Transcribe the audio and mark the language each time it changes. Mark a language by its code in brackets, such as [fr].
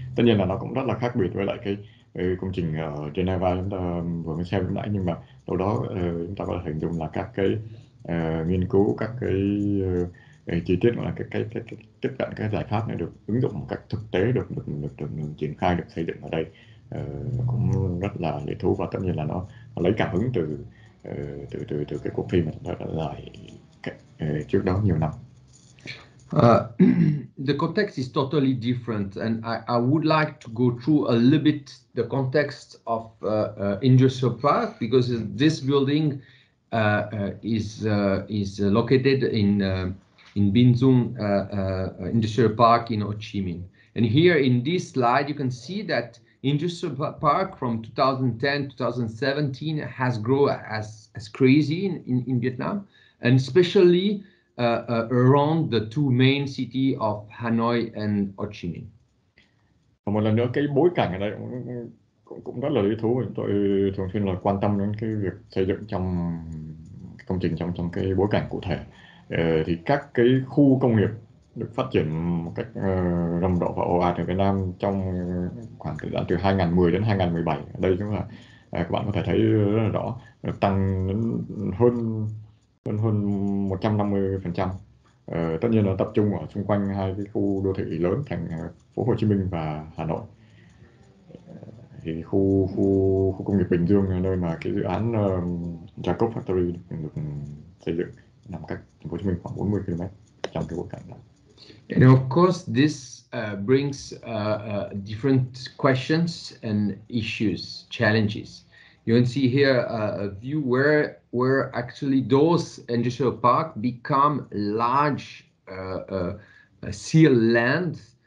[vi] Tất nhiên là nó cũng rất là khác biệt với lại cái công trình ở Geneva chúng ta vừa mới xem lúc nãy, nhưng mà đâu đó chúng ta có thể hình dung là các cái nghiên cứu, các cái chi tiết là cái tiếp cận cái giải pháp này được ứng dụng một cách thực tế, được triển khai, được xây dựng ở đây cũng rất là lý thú, và tất nhiên là nó lấy cảm hứng từ cái cuộc thi mà chúng ta đã giải trước đó nhiều năm. [en] The context is totally different, and I would like to go through a little bit the context of industrial park, because this building is located in Binzhong Industrial Park in Ho Chi Minh. And here in this slide, you can see that industrial park from 2010-2017 has grown as crazy in Vietnam, and especially around the two main city of Hanoi and Ho Chi Minh. [vi] Một lần nữa, cái bối cảnh ở đây cũng rất là lý thú. Tôi thường xuyên là quan tâm đến cái việc xây dựng trong công trình trong cái bối cảnh cụ thể. Thì các cái khu công nghiệp được phát triển một cách rầm rộ và ồ ạt ở Việt Nam trong khoảng thời gian từ 2010 đến 2017. Ở đây chúng ta các bạn có thể thấy rất là rõ, tăng hơn 150%. Tất nhiên là tập trung ở xung quanh hai cái khu đô thị lớn thành phố Hồ Chí Minh và Hà Nội. Thì khu công nghiệp Bình Dương là nơi mà cái dự án Jacob Factory được xây dựng, nằm cách thành phố Hồ Chí Minh khoảng 40 km trong cái bối cảnh đó. [en] And of course this brings different questions and issues, challenges. You can see here a view where actually those industrial park become large sealed land,